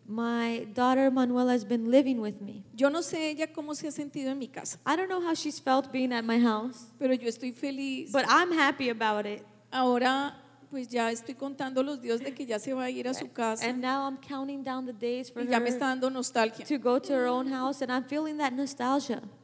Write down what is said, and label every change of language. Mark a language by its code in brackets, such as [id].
[en] My daughter Manuela has been living with me. [es] Yo no sé ella cómo se ha sentido en mi casa. [en] I don't know how she's felt being at my house. [es] Pero yo estoy feliz. [en] But I'm happy about it. [es] Ahora pues ya estoy contando los días de que ya se va a ir a su casa. [en] And now I'm counting down the days for [es] her. Y ya me está dando nostalgia. [en] To go to her own house, and I'm feeling that nostalgia.